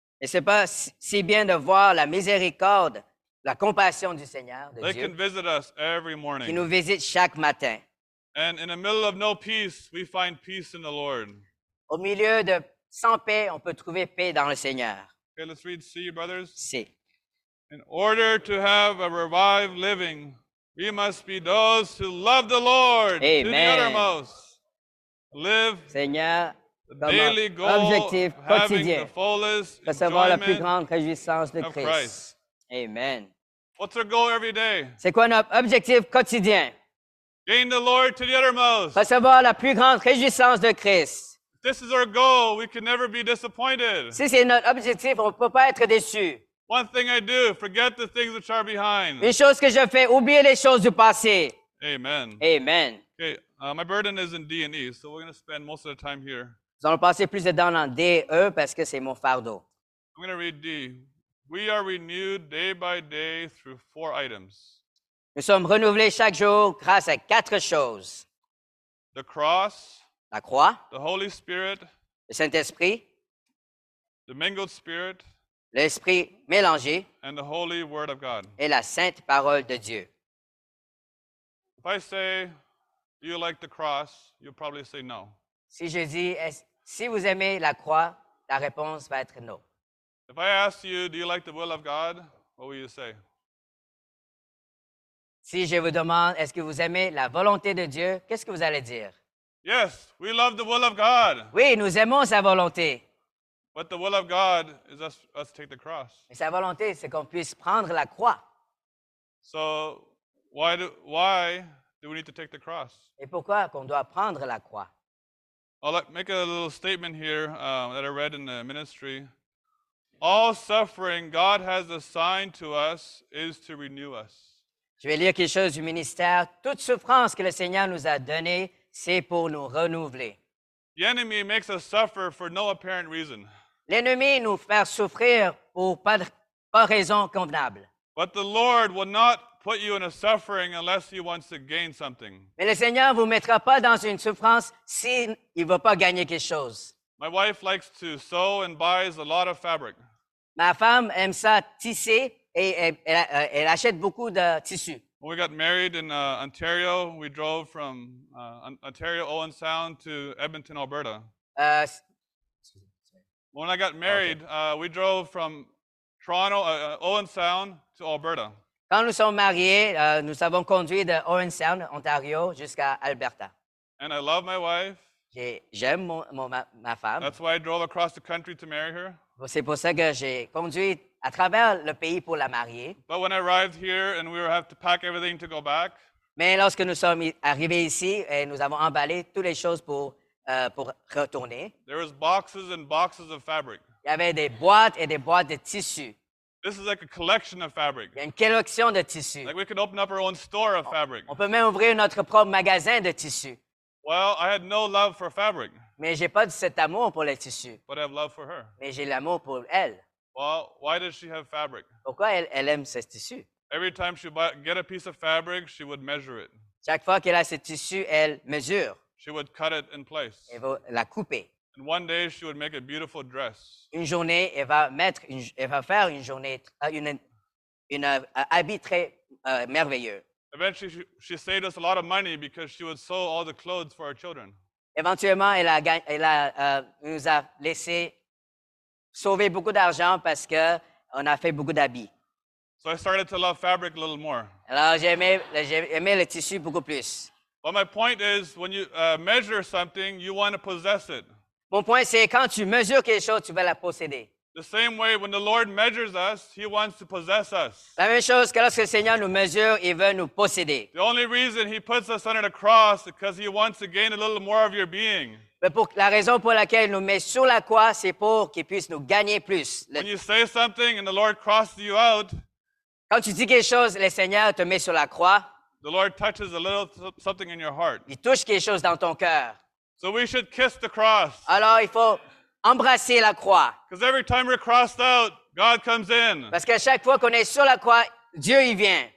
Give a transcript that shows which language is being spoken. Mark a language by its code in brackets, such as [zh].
[fr] Et c'est pas si bien de voir la miséricorde, la compassion du Seigneur, de [en] they [fr] Dieu, [en] can visit us every morning. [fr] Qui nous visite chaque matin. [en] And in the middle of no peace, we find peace in the Lord. [fr] Au milieu de sans paix, on peut trouver paix dans le Seigneur. [en] Okay, let's read C, brothers. [fr] C. [en] In order to have a revived living, we must be those who love the Lord Amen. To the uttermost. Live [fr] Seigneur, [en] the daily goal [fr] objectif [en] of having the fullest [fr] recevoir [en] enjoyment [fr] la plus grande réjouissance de [en] of Christ. [fr] Christ. Amen. [en] What's our goal every day? [fr] C'est quoi notre objectif quotidien? [en] Gain the Lord to the uttermost. [fr] Recevoir la plus grande réjouissance de Christ. [en] If this is our goal, we can never be disappointed. [fr] Si c'est notre objectif, on ne peut pas être déçu. [en] One thing I do, forget the things which are behind. [fr] Une chose que je fais, oublier les choses du passé. [en] Amen. [fr] Amen. [en] Okay, my burden is in D and E, so we're going to spend most of the time here. [fr] Nous allons passer plus de temps dans D et E parce que c'est mon fardeau. [en] I'm going to read D. We are renewed day by day through four items. [fr] Nous sommes renouvelés chaque jour grâce à quatre choses. [en] The cross. [fr] La croix. [en] The Holy Spirit. [fr] Le Saint-Esprit. [en] The mingled spirit. [fr] L'esprit mélangé. [en] And the holy word of God. [fr] Et la sainte parole de Dieu. [en] If I say, do you like the cross? You'll probably say no. [fr] Si je dis, si vous aimez la croix, la réponse va être non. [en] If I ask you, do you like the will of God? What will you say? [fr] Si je vous demande, est-ce que vous aimez la volonté de Dieu? Qu'est-ce que vous allez dire? [en] Yes, we love the will of God. [fr] Oui, nous aimons sa volonté. [en] But the will of God is us take the cross. [fr] Mais sa volonté, c'est qu'on puisse prendre la croix. [en] So, why do we need to take the cross? [fr] Et pourquoi qu'on doit prendre la croix? [en] I'll make a little statement here that I read in the ministry. All suffering God has assigned to us is to renew us. [fr] Je vais lire quelque chose du ministère. Toute souffrance que le Seigneur nous a donnée, c'est pour nous renouveler. [en] The enemy makes us suffer for no apparent reason. [fr] L'ennemi nous fait souffrir pour pas raison convenable. [en] But the Lord will not put you in a suffering unless he wants to gain something. [fr] Mais le Seigneur vous mettra pas dans une souffrance s'il veut pas gagner quelque chose. [en] My wife likes to sew and buys a lot of fabric. [fr] Ma femme aime ça tisser. Et elle achète beaucoup de tissus. [en] When we got married in Ontario, we drove from Ontario, Owen Sound, to Edmonton, Alberta. When I got married, we drove from Toronto, Owen Sound, to Alberta. [fr] Quand nous sommes mariés, nous avons conduit de Owen Sound, Ontario, jusqu'à Alberta. [en] And I love my wife. [fr] J'aime ma femme. [en] That's why I drove across the country to marry her. [fr] C'est pour ça que j'ai conduit à travers le pays pour la marier. [en] But when I arrived here and we have to pack everything to go back. [fr] Mais lorsque nous sommes arrivés ici et nous avons emballé toutes les choses pour retourner. [en] There was boxes and boxes of fabric. [fr] Il y avait des boîtes et des boîtes de tissus. [en] This is like a collection of fabric. [fr] Une collection de tissus. [en] Like we could open up our own store of fabric. [fr] On peut même ouvrir notre propre magasin de tissus. [en] Well, I had no love for fabric. [fr] Mais j'ai pas de cet amour pour les tissus. [en] But I have love for her. [fr] Mais j'ai l'amour pour elle. [en] Well, why does she have fabric? [fr] Pourquoi elle aime ces tissus? [en] Every time she would get a piece of fabric, she would measure it. [fr] Chaque fois qu'elle a ces tissus, elle mesure. [en] She would cut it in place. [fr] Elle va la couper. [en] And one day she would make a beautiful dress. [fr] Une journée, elle va faire un habit très merveilleux. [en] Eventually, she saved us a lot of money because she would sew all the clothes for our children. [fr] Éventuellement, nous a laissé sauver beaucoup d'argent parce que on a fait beaucoup d'habits. [en] So I started to love fabric a little more. [fr] Alors j'aimais le tissu beaucoup plus. [en] But my point is, when you measure something, you want to possess it. [fr] Mon point c'est quand tu mesures quelque chose, tu veux la posséder. [en] The same way, when the Lord measures us, He wants to possess us. [fr] La même chose que lorsque le Seigneur nous mesure, il veut nous posséder. [en] The only reason He puts us under the cross is because He wants to gain a little more of your being. [fr] Mais la raison pour laquelle il nous met sur la croix, c'est pour qu'il puisse nous gagner plus. [en] When you say something and the Lord crosses you out, [fr] quand tu dis quelque chose, le Seigneur te met sur la croix. [en] The Lord touches a little something in your heart. [fr] Il touche quelque chose dans ton cœur. [en] So we should kiss the cross. [fr] Alors il faut embrasser la croix. [en] Because every time we're crossed out, God comes in. [fr] Parce qu'à chaque fois qu'on est sur la croix, Dieu y vient.